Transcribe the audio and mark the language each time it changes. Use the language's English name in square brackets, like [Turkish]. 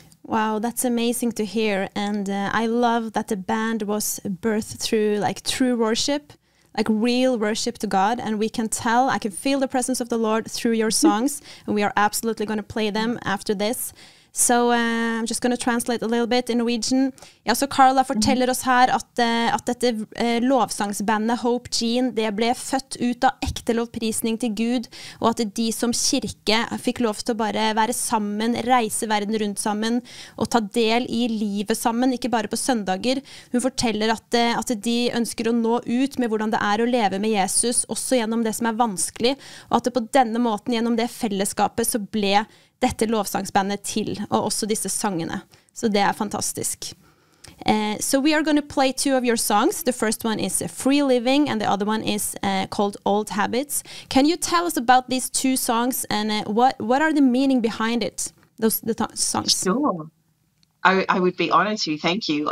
[English] Wow, that's amazing to hear. And I love that the band was birthed through like true worship, like real worship to God. And we can tell, I can feel the presence of the Lord through your songs. And we are absolutely going to play them after this. [Norwegian] Så jeg skal bare oversette litt bit i Norwegian. Ja, så Carla forteller oss her at, at dette lovsangsbandet Hope Jean, det ble født ut av ekte lovprisning til Gud, og at de som kirke fikk lov til å bare være sammen, reise verden rundt sammen, og ta del I livet sammen, ikke bare på søndager. Hun forteller at, at de ønsker å nå ut med hvordan det å leve med Jesus, også gjennom det som vanskelig, og at det på denne måten, gjennom det fellesskapet, så ble dette lovsangsbandet til, og også disse sangene. Så det fantastisk. [English] So we are going to play two of your songs. The first one is Free Living, and the other one is called Old Habits. Can you tell us about these two songs, and what are the meaning behind it, the songs? Sure. I would be honored to, thank you.